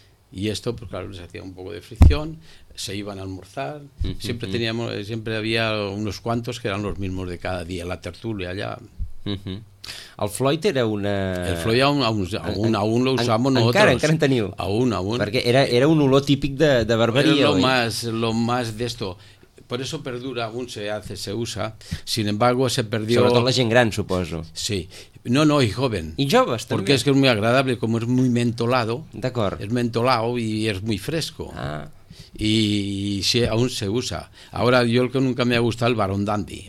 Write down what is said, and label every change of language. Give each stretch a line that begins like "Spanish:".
Spanish: Y esto, pues claro, les hacía un poco de fricción. Se iban a almorzar, siempre teníamos, siempre había unos cuantos que eran los mismos de cada día, la tertulia allá. El Floyd era una... El Floyd aún lo usamos nosotros.
Catalan: Encara en teniu.
Spanish: Aún.
Catalan: Perquè era un olor típic de barberia.
Spanish: Era lo más de esto. Por eso perdura, aún se usa, sin embargo se perdió...
Catalan: Sobretot la gent gran, suposo.
Spanish: Sí. No, no, y joven.
Catalan: Y joves, també.
Spanish: Porque es que es muy agradable, como es muy mentolado.
Catalan: D'acord.
Spanish: Es mentolado y es muy fresco. Ah, Y sí, aún se usa. Ahora, yo el que nunca me ha gustado, el Barón Dandy.